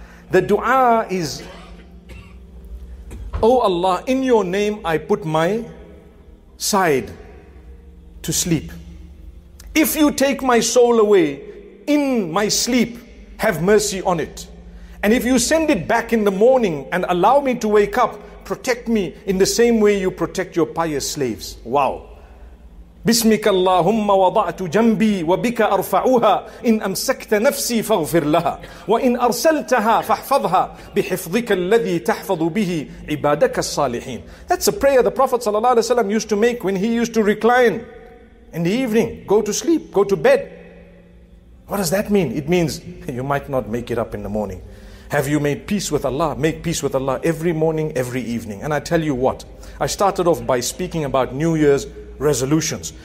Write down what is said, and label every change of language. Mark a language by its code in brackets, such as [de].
[en] The dua is, oh Allah, in your name I put my side to sleep. If you take my soul away in my sleep, have mercy on it. And if you send it back in the morning and allow me to wake up, protect me in the same way you protect your pious slaves. Wow. [ar] بسمك اللهم وضعت جنبي وبك أرفعها إن أمسكت نفسي فاغفر لها وإن أرسلتها فاحفظها بحفظك الذي تحفظ به عبادك الصالحين. [en] That's a prayer the Prophet [ar] صلى الله عليه وسلم [en] used to make when he used to recline in the evening, go to sleep, go to bed. What does that mean? It means you might not make it up in the morning. Have you made peace with Allah? Make peace with Allah every morning, every evening. And I tell you what, I started off by speaking about New Year's resolutions.